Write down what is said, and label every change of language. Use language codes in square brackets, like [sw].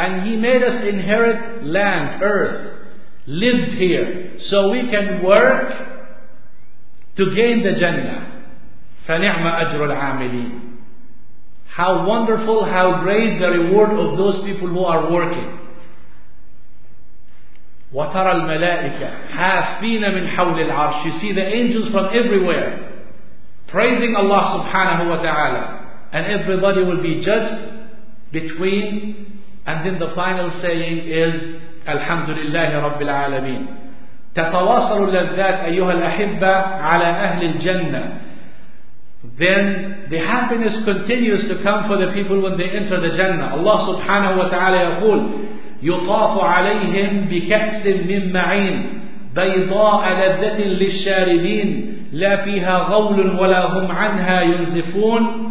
[en] And He made us inherit land, earth, live here, so we can work to gain the Jannah. [ar] فنعم أجر العاملين. [en] How wonderful, how great the reward of those people who are working. [ar] وترى الملائكة حافين من حول العرش. [en] You see the angels from everywhere praising Allah subhanahu wa ta'ala. And everybody will be judged between. And then the final saying is [ar] الحمد لله رب العالمين. تتواصل اللذات أيها الأحبة على أهل الجنة. [en] Then the happiness continues to come for the people when they enter the Jannah. [ar] Allah subhanahu wa ta'ala يقول يطاف عليهم بكأس من معين بيضاء لذة للشاربين لا فيها غول ولا هم عنها ينزفون.